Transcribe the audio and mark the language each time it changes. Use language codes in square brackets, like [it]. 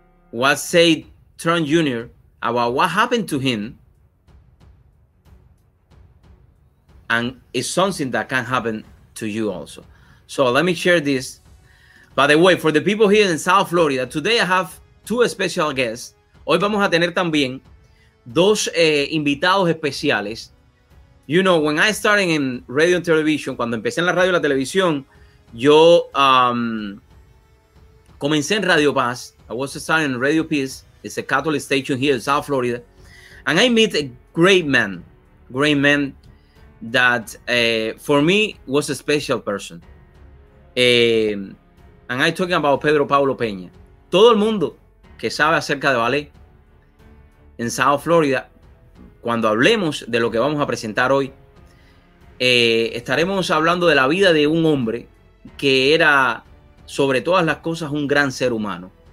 [en] What said Trump Jr. about what happened to him, and it's something that can happen to you also. So let me share this. By the way, for the people here in South Florida, today I have two special guests. [es] Hoy vamos a tener también dos invitados especiales. [en] You know, when I started in radio and television, [es] cuando empecé en la radio y la televisión, yo comencé en Radio Paz. [en] I was starting in Radio Peace. It's a Catholic station here in South Florida. And I meet a great man that for me was a special person. And I'm talking about Pedro Pablo Peña. [es] Todo el mundo que sabe acerca de ballet en South Florida, cuando hablemos de lo que vamos a presentar hoy, estaremos hablando de la vida de un hombre que era, sobre todas las cosas, un gran ser humano.